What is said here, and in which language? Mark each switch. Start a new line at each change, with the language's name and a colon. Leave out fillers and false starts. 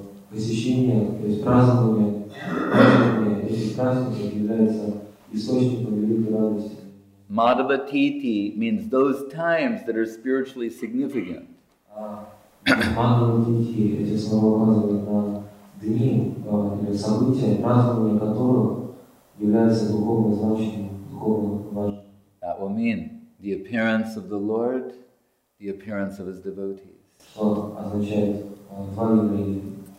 Russian: Посещение, то есть празднование этих праздников является источником великой радости.
English: Madhava Titi means those times that are spiritually significant.
Russian: Madhava Titi, эти слова указывают на дни или события, празднование которых является духовно значимым, духовно важным.
English: That will mean the appearance of the Lord, the appearance of His devotees.
Russian: Что означает два явления?